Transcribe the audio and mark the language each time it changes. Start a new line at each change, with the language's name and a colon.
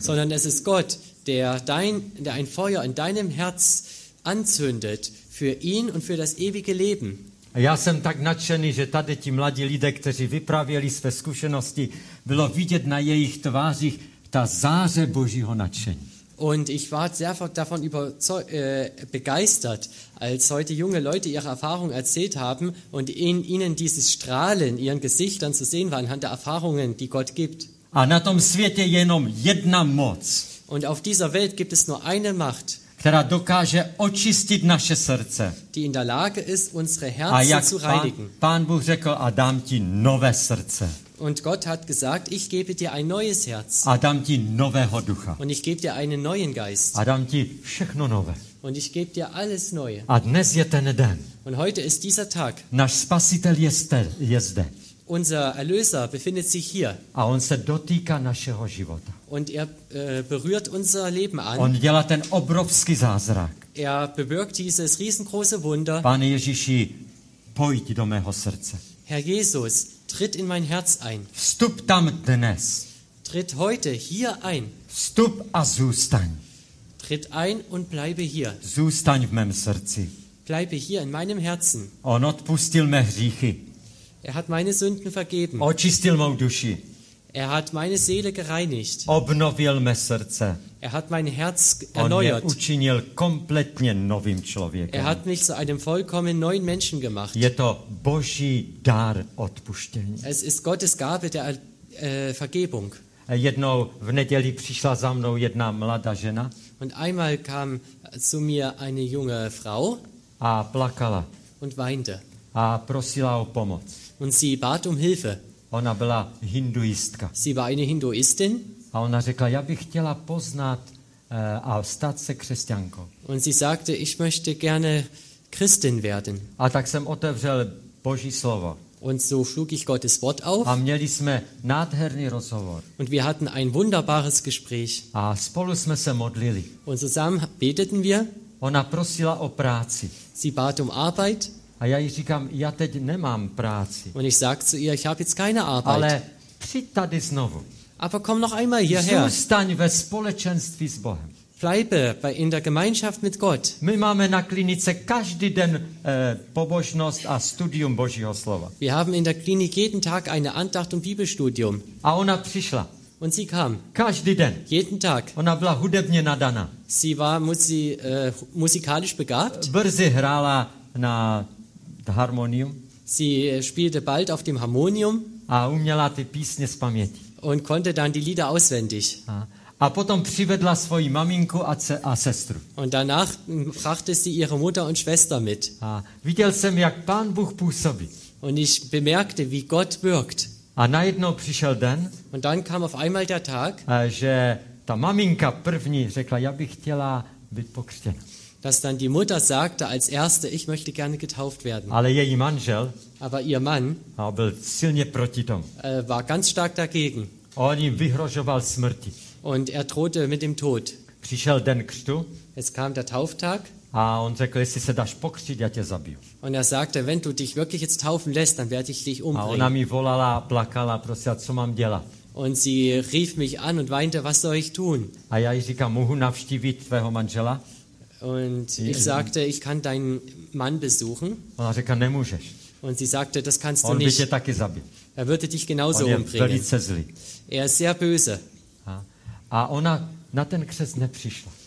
German: Sondern es ist Gott, der ein Feuer in deinem Herz anzündet für ihn und für das ewige Leben.
Czech: Já jsem tak nadšený, že tady ti mladí lidé, kteří vyprávěli své zkušenosti, bylo vidět na jejich tvářích ta záře Božího nadšení.
German: Und ich war sehr davon begeistert, als heute junge Leute ihre Erfahrung erzählt haben und ihnen dieses Strahlen in ihren Gesichtern zu sehen war anhand der Erfahrungen, die Gott gibt.
Czech: A na tom světě jenom jedna moc.
German: Und auf dieser Welt gibt es nur eine Macht,
Czech: která dokáže očistit naše srdce.
German: Die in der Lage ist, unsere Herzen zu reinigen.
Czech: Pán Bůh řekl, a dám ti nové srdce.
German: Und Gott hat gesagt, ich gebe dir ein neues Herz.
Czech: A dám ti nového ducha.
German: Und ich gebe dir einen neuen Geist.
Czech: A dám ti všechno nové.
German: Und ich gebe dir alles neue.
Czech: A dnes je ten den.
German: Und heute ist dieser Tag.
Czech: Náš Spasitel je zde.
German: Unser Erlöser befindet sich hier.
Czech: A on se dotýká našeho života.
German: Und er berührt unser Leben an.
Czech: On dělá ten obrovský zázrak.
German: Er bewirkt dieses riesengroße Wunder.
Czech: Pane Ježíši, pojď do mého srdce.
German: Herr Jesus, tritt in mein Herz ein.
Czech: Vstup tam dnes.
German: Tritt heute hier ein.
Czech: Vstup a zůstaň.
German: Tritt ein und bleibe hier.
Czech: Zůstaň v mém srdci.
German: Bleibe hier in meinem Herzen.
Czech: On odpustil mé hříchy.
German: Er hat meine Sünden vergeben.
Czech: Očistil mou duši.
German: Er hat meine Seele gereinigt.
Czech: Obnovil mé srdce.
German: Er hat mein Herz erneuert.
Czech: On mě učinil kompletně novým člověkem.
German: Er hat mich zu einem vollkommen neuen Menschen gemacht.
Czech: Je to Boží dar odpuštění.
German: Es ist Gottes Gabe der Vergebung.
Czech: Jednou v neděli přišla za mnou jedna mladá žena.
German: Und einmal kam zu mir eine junge Frau.
Czech: A plakala.
German: Und weinte.
Czech: A prosila o pomoc.
German: Und sie bat um Hilfe.
Czech: Ona byla hinduistka.
German: Sie war eine Hinduistin.
Czech: A ona řekla, já bych chtěla poznat a stát se křesťankou.
German: Und sie sagte, ich möchte gerne Christin werden.
Czech: A tak jsem otevřel Boží slovo.
German: Und so schlug ich Gottes Wort auf.
Czech: A měli jsme nádherný rozhovor.
German: Und wir hatten ein wunderbares Gespräch.
Czech: A spolu jsme se modlili.
German: Und zusammen beteten wir.
Czech: Ona prosila o práci.
German: Sie bat um Arbeit.
Czech: A já jí říkám, já teď nemám práci.
German: Und ich sagte zu ihr, ich habe jetzt keine Arbeit.
Czech: Ale přijď tady znovu.
German: Aber komm noch einmal hierher.
Czech: Zůstaň ve společenství s Bohem.
German: Bleibe in der Gemeinschaft mit Gott.
Czech: My máme na klinice každý den pobožnost a studium Božího slova.
German: Wir haben in der Klinik jeden Tag eine Andacht und Bibelstudium.
Czech: A ona přišla.
German: Und sie kam.
Czech: Každý den.
German: Jeden Tag.
Czech: Ona byla hudebně nadaná.
German: Sie war musikalisch begabt.
Czech: Brzy hrála na harmonium.
German: Sie spielte bald auf dem Harmonium.
Czech: A uměla ty písně z paměti.
German: Und konnte dann die Lieder auswendig.
Czech: A potom přivedla svoji maminku a sestru.
German: Und danach brachte sie ihre Mutter und Schwester mit.
Czech: A viděl jsem, jak Pán Bůh působí.
German: Und ich bemerkte, wie Gott wirkt.
Czech: A najednou přišel den.
German: Und dann kam auf einmal der Tag,
Czech: že ta maminka první řekla, já bych chtěla být pokřtěna.
German: Dass dann die Mutter sagte als erste, ich möchte gerne getauft werden.
Czech: Ale její manžel,
German: aber ihr Mann,
Czech: byl silně proti tomu.
German: War ganz stark dagegen.
Czech: On jim vyhrožoval smrti.
German: Und er drohte mit dem Tod.
Czech: Přišel den křtu.
German: Es kam der Tauftag.
Czech: A on řekl, jestli se dáš pokřtit, já tě zabiju.
German: Und er sagte, wenn du dich wirklich jetzt taufen lässt, dann werde ich dich umbringen.
Czech: A ona mi volala, plakala, prosila, co mám dělat.
German: Und sie rief mich an und weinte, was soll ich tun?
Czech: A já jí říkám, mohu navštívit tvého manžela?
German: Und ich sagte, ich kann deinen Mann besuchen.
Czech: Ona řekla, nemůžeš.
German: Und sie sagte, das kannst du
Czech: on
German: nicht.
Czech: Tě taky zabil.
German: Er würde dich genauso umbringen. Er ist sehr böse.
Czech: A ona na ten křest nepřišla.